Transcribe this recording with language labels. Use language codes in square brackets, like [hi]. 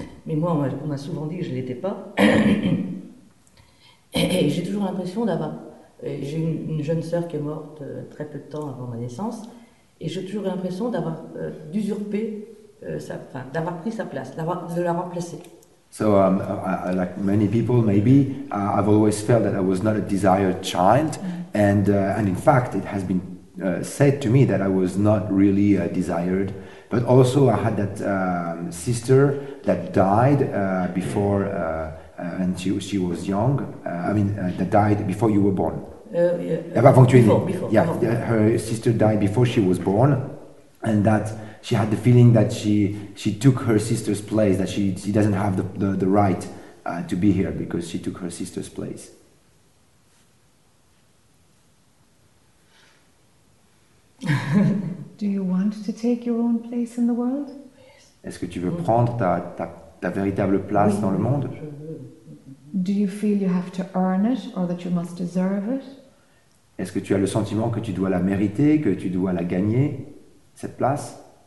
[fr] Mais moi, on m'a souvent dit que je ne l'étais pas. Et j'ai toujours l'impression d'avoir... J'ai une jeune sœur qui est morte très peu de temps avant ma naissance. Et j'ai toujours l'impression d'avoir d'usurper sa... Enfin, d'avoir pris sa place, de la remplacer. [en] So, I, like many people, maybe, I've always felt that I was not a desired child. And in fact, it has been... said to me that I was not really desired, but also I had that sister that died before, and she was young. That died before you were born. Her sister died before she was born, and that she had the feeling that she took her sister's place, that she doesn't have the right to be here because she took her sister's place. Do you want to take your own place in the world? Yes. [fr] Est-ce que tu veux prendre ta véritable place dans le monde? [en] Do you feel you have to earn it or that you must deserve it? [fr] Est-ce que tu as le sentiment que tu dois la mériter, que tu dois la gagner, cette place?